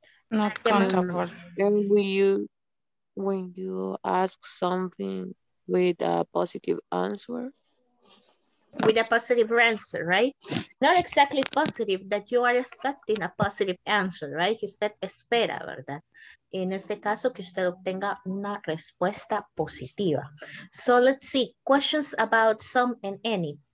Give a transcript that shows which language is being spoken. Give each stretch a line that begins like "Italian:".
English: Not countable. And when you ask something with a positive answer? With a positive answer, right? Not exactly positive, that you are expecting a positive answer, right?
Spanish: Usted espera, ¿verdad? En este caso, que usted obtenga una respuesta positiva.
English: So let's see, questions about some and any.